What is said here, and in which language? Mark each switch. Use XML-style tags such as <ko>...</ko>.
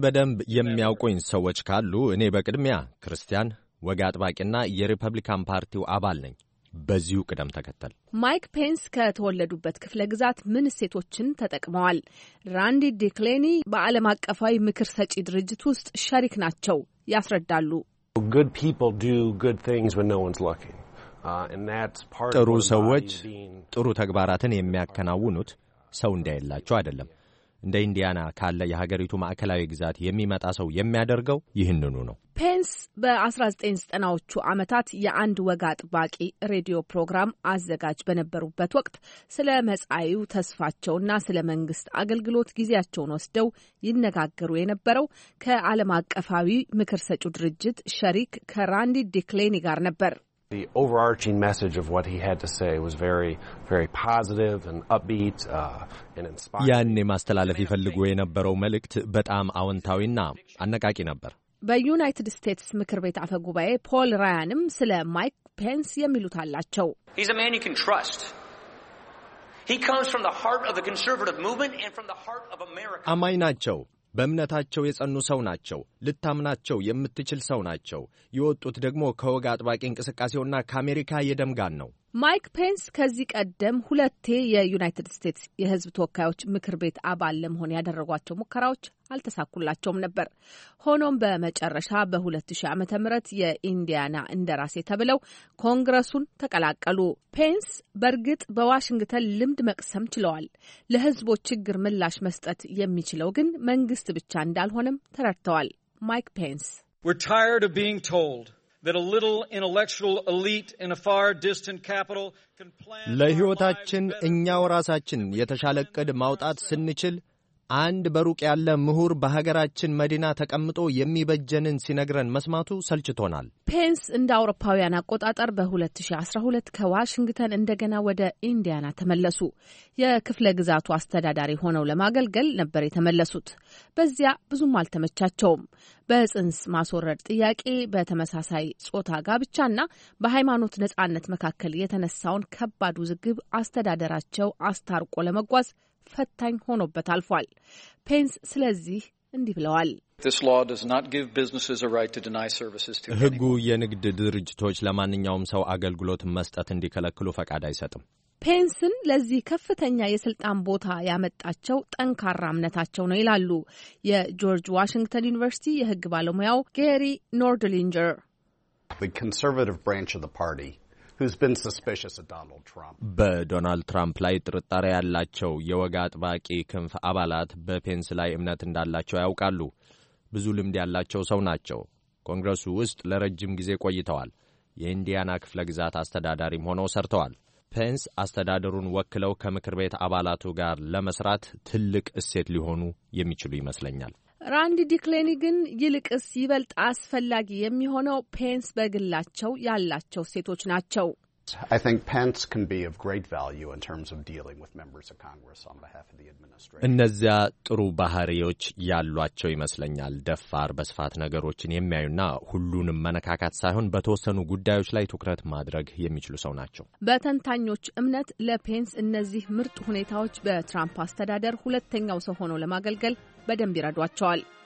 <am>በደንብ የሚያውቁኝ ሰዎች ካሉ እኔ በቅድሚያ ክርስቲያን፣ ወግ አጥባቂና የሪፐብሊካን ፓርቲው አባል ነኝ። በዚሁ ቅደም ተከተል ማይክ ፔንስ ከተወለዱበት ክፍለ ግዛት ምን እሴቶችን ተጠቅመዋል? ራንዲ ዲክሌኒ በዓለም አቀፋዊ ምክር ሰጪ ድርጅት ውስጥ ሸሪክ ናቸው። ያስረዳሉ።</am> <en>Good people do good things when no one's looking. And that's part of</en> <am>ጥሩ ሰዎች ጥሩ ተግባራትን የሚያከናውኑት ሰው እንዳይላቸው አይደለም። እንደ ኢንዲያና ካለ የሀገሪቱ ማዕከላዊ ግዛት የሚመጣ ሰው የሚያደርገው ይህንኑ ነው። ፔንስ በ1990ዎቹ ዓመታት የአንድ ወግ አጥባቂ ሬዲዮ ፕሮግራም አዘጋጅ በነበሩበት ወቅት ስለ መጻኢው ተስፋቸውና ስለ መንግስት አገልግሎት ጊዜያቸውን ወስደው ይነጋገሩ የነበረው ከዓለም አቀፋዊ ምክር ሰጪ ድርጅት ሸሪክ ከራንዲ ዲክሌኒ ጋር ነበር።</am> <en>The overarching message of what he had to say was very, very positive and upbeat and inspiring.</en> <am>ያኔ ማስተላለፍ ይፈልጉ የነበረው መልእክት በጣም አወንታዊና አነቃቂ ነበር። በዩናይትድ ስቴትስ ምክር ቤት አፈ ጉባኤ ፖል ራያንም ስለ ማይክ ፔንስ የሚሉት አላቸው።</am> <en>He's a man you can trust. He comes from the heart of the conservative movement and from the heart of America.</en> <am>አማኝ ናቸው። በእምነታቸው የጸኑ ሰው ናቸው። ልታምናቸው የምትችል ሰው ናቸው። የወጡት ደግሞ ከወግ አጥባቂ እንቅስቃሴውና ከአሜሪካ የደም ጋር ነው። ማይክ ፔንስ ከዚህ ቀደም ሁለቴ የዩናይትድ ስቴትስ የሕዝብ ተወካዮች ምክር ቤት አባል ለመሆን ያደረጓቸው ሙከራዎች አልተሳኩላቸውም ነበር። ሆኖም በመጨረሻ በ2000 ዓ ም የኢንዲያና እንደራሴ ተብለው ኮንግረሱን ተቀላቀሉ። ፔንስ በእርግጥ በዋሽንግተን ልምድ መቅሰም ችለዋል። ለሕዝቦች ችግር ምላሽ መስጠት የሚችለው ግን መንግስት ብቻ እንዳልሆነም ተረድተዋል። ማይክ ፔንስ</am> <en>We're tired of being told that a little intellectual elite in a far distant capital can plan</en> <am>ለህይወታችን እኛው ራሳችን የተሻለ ቅድ ማውጣት ስንችል አንድ በሩቅ ያለ ምሁር በሀገራችን መዲና ተቀምጦ የሚበጀንን ሲነግረን መስማቱ ሰልችቶናል። ፔንስ እንደ አውሮፓውያን አቆጣጠር በ2012 ከዋሽንግተን እንደገና ወደ ኢንዲያና ተመለሱ። የክፍለ ግዛቱ አስተዳዳሪ ሆነው ለማገልገል ነበር የተመለሱት። በዚያ ብዙም አልተመቻቸውም። በጽንስ ማስወረድ ጥያቄ፣ በተመሳሳይ ጾታ ጋብቻና በሃይማኖት ነጻነት መካከል የተነሳውን ከባድ ውዝግብ አስተዳደራቸው አስታርቆ ለመጓዝ ፈታኝ ሆኖበት አልፏል። ፔንስ ስለዚህ እንዲህ ብለዋል።</am> <en>This law does not give businesses a right to deny services to anyone.</en> <am>ህጉ የንግድ ድርጅቶች ለማንኛውም ሰው አገልግሎት መስጠት እንዲከለክሉ ፈቃድ አይሰጥም። ፔንስን ለዚህ ከፍተኛ የስልጣን ቦታ ያመጣቸው ጠንካራ እምነታቸው ነው ይላሉ የጆርጅ ዋሽንግተን ዩኒቨርሲቲ የህግ ባለሙያው ጌሪ ኖርድሊንጀር።</am> <en>The conservative branch of the party who's been suspicious of Donald Trump.</en> <am>በዶናልድ ትራምፕ ላይ ጥርጣሬ ያላቸው የወግ አጥባቂ ክንፍ አባላት በፔንስ ላይ እምነት እንዳላቸው ያውቃሉ። ብዙ ልምድ ያላቸው ሰው ናቸው። ኮንግረሱ ውስጥ ለረጅም ጊዜ ቆይተዋል። የኢንዲያና ክፍለ ግዛት አስተዳዳሪም ሆነው ሰርተዋል። ፔንስ አስተዳደሩን ወክለው ከምክር ቤት አባላቱ ጋር ለመስራት ትልቅ እሴት ሊሆኑ የሚችሉ ይመስለኛል። ራንዲ ዲክሌኒ ግን ይልቅስ ይበልጥ አስፈላጊ የሚሆነው ፔንስ በግላቸው ያላቸው ሴቶች ናቸው።</am> <en>I think Pence can be of great value in terms of dealing with members of Congress on behalf of the administration.</en> <am>እነዚያ ጥሩ ባህሪዎች ያሏቸው ይመስለኛል። ደፋር፣ በስፋት ነገሮችን የሚያዩና ሁሉንም መነካካት ሳይሆን በተወሰኑ ጉዳዮች ላይ ትኩረት ማድረግ የሚችሉ ሰው ናቸው። በተንታኞች እምነት ለፔንስ እነዚህ ምርጥ ሁኔታዎች በትራምፕ አስተዳደር ሁለተኛው ሰው ሆኖ ለማገልገል በደንብ ይረዷቸዋል።</am>